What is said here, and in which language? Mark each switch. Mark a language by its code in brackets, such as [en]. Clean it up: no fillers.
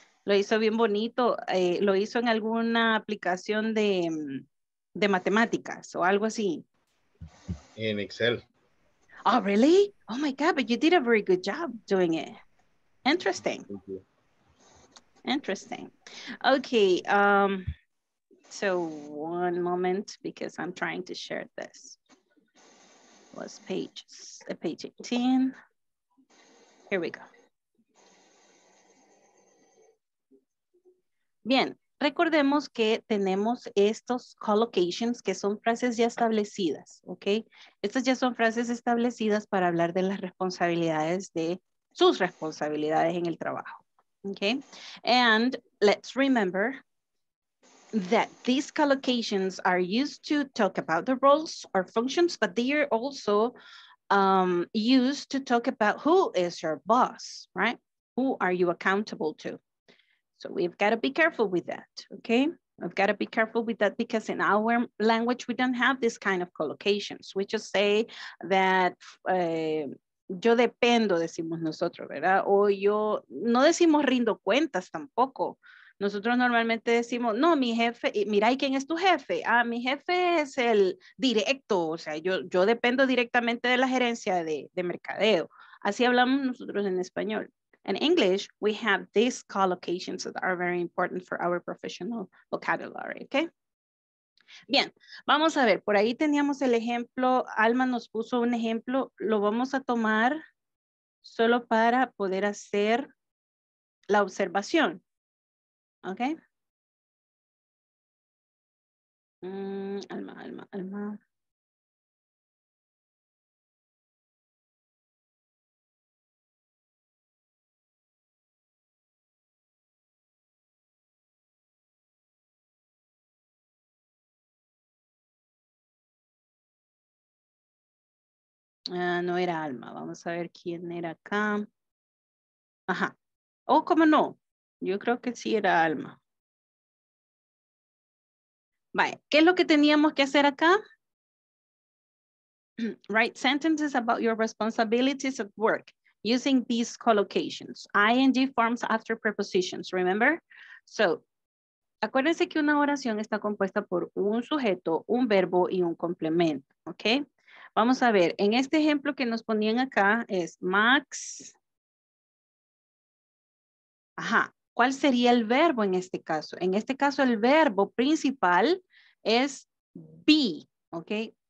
[es] Lo hizo bien bonito, lo hizo en alguna aplicación de matemáticas o algo así. En Excel. [en] Oh, really? Oh my God, but you did a very good job doing it. Interesting. Interesting. Okay, so one moment, because I'm trying to share this. What's page 18? Here we go. [es] Bien, recordemos que tenemos estos collocations que son frases ya establecidas, ¿ok? Estas ya son frases establecidas para hablar de las responsabilidades de sus responsabilidades en el trabajo, ¿ok? [en] And let's remember that these collocations are used to talk about the roles or functions, but they are also used to talk about who is your boss, right? Who are you accountable to? So we've got to be careful with that, okay? We've got to be careful with that because in our language, we don't have this kind of collocations. [es] We just say that yo dependo, decimos nosotros, ¿verdad? O yo, no decimos rindo cuentas tampoco. Nosotros normalmente decimos, no, mi jefe, mira, ¿y quién es tu jefe? Ah, mi jefe es el directo, o sea, yo dependo directamente de la gerencia de mercadeo. Así hablamos nosotros en español. [en] In English, we have these collocations that are very important for our professional vocabulary, okay? [es] Bien, vamos a ver, por ahí teníamos el ejemplo, Alma nos puso un ejemplo, lo vamos a tomar solo para poder hacer la observación. [en] Okay. [es] Alma. No era Alma. Vamos a ver quién era acá. Ajá. Oh, ¿cómo no? Yo creo que sí era Alma. Vale, ¿qué es lo que teníamos que hacer acá? [en] Write sentences about your responsibilities at work using these collocations. ING forms after prepositions, remember? [es] So, acuérdense que una oración está compuesta por un sujeto, un verbo y un complemento, ¿ok? Vamos a ver, en este ejemplo que nos ponían acá es Max. Ajá. ¿Cuál sería el verbo en este caso? En este caso, el verbo principal es be, ¿ok?